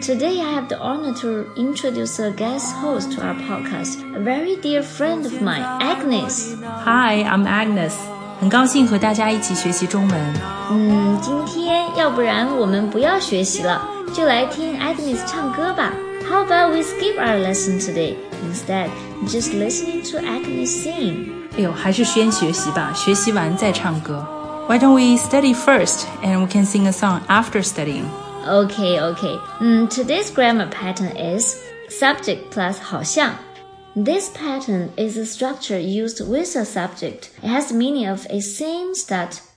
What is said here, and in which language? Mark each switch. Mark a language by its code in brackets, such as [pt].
[en] Today, I have the honor to introduce a guest host to our podcast, a very dear friend of mine, Agnes. Hi, I'm Agnes. [zh] 很高兴和大家一起学习中文。今天要不然我们不要学习了，就来听 Agnes 唱歌吧。 [en] How about we skip our lesson today? Instead, just listening to Agnes sing. [zh] 哎呦，还是先学习吧，学习完再唱歌。 [en] Why don't we study first, and we can sing a song after studying? Okay. Today's grammar pattern is subject plus 好像. This pattern is a structure used with a subject. It has the meaning of a same start.